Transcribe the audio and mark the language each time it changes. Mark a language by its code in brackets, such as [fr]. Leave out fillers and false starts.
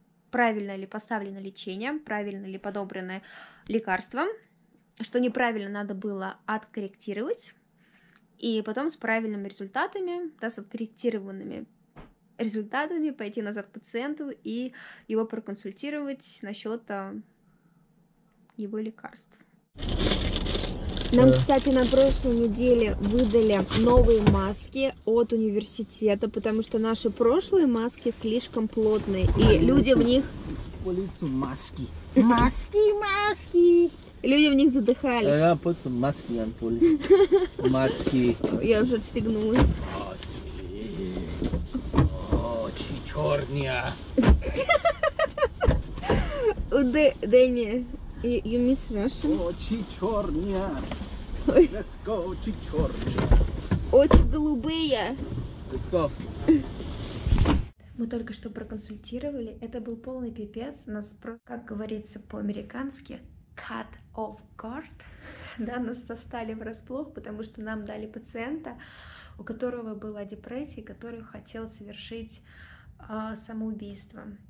[ru] правильно ли поставлено лечение, правильно ли подобрано лекарство, что неправильно надо было откорректировать, и потом с правильными результатами, да, с откорректированными результатами пойти назад к пациенту и его проконсультировать насчет его лекарств. Нам, кстати, на прошлой неделе выдали новые маски от университета, потому что наши прошлые маски слишком плотные, и люди в них... Маски! Маски, маски! Люди в них задыхались. Я [en] put some маски on police. [ru] Маски. Я уже отстегнулась. Маски. О, черные. [en] Дэнни, you miss Russian? [ru] Очи черные. [en] Let's go, [ru] очи черные. Очи голубые. [en] Let's go. [ru] Мы только что проконсультировали. Это был полный пипец. Нас, как говорится по-американски, [en] cut off guard. [ru] Да, нас застали врасплох, потому что нам дали пациента, у которого была депрессия, который хотел совершить самоубийство.